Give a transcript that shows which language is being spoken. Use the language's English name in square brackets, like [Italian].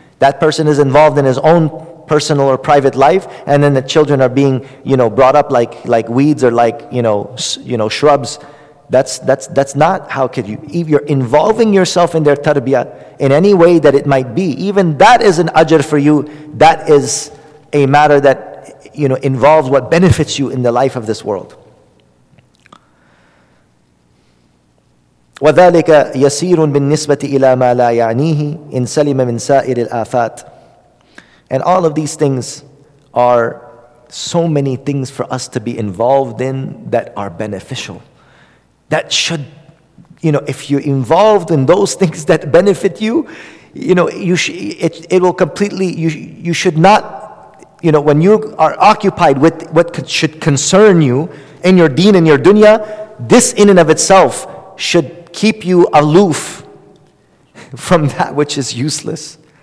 [English] That person is involved in his own personal or private life, and then the children are being, you know, brought up like weeds or like, you know, shrubs. That's not how could you, if you're involving yourself in their tarbiyah in any way that it might be, even that is an ajr for you. That is a matter that, you know, involves what benefits you in the life of this world. [Arabic] وذلك يسير بالنسبة إلى ما لا يعنيه إن سلم من سائر الآفات. [English] And all of these things are so many things for us to be involved in that are beneficial. That should, you know, if you're involved in those things that benefit you, you know, you should not, you know, when you are occupied with what should concern you in your deen and your dunya, this in and of itself should keep you aloof from that which is useless.